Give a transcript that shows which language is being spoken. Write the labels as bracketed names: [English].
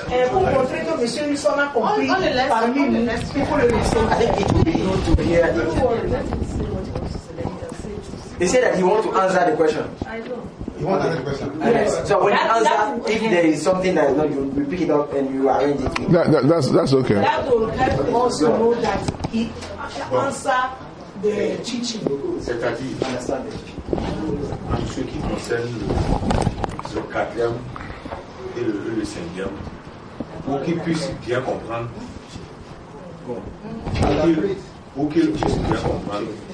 [French] Pour montrer que monsieur nous en a compris parmi nous, il faut le laisser. [English] He said that he wants to answer the question. I know. He wants to answer the question. Yes. So when you answer, if there is something that is not, you pick it up and you arrange it. That's okay. That will help us also know that he can answer the teaching. [French] C'est-à-dire, [English] understand the teaching. [French] En ce qui concerne le quatrième et le cinquième, pour qu'il puisse bien comprendre, pour qu'il puisse bien comprendre.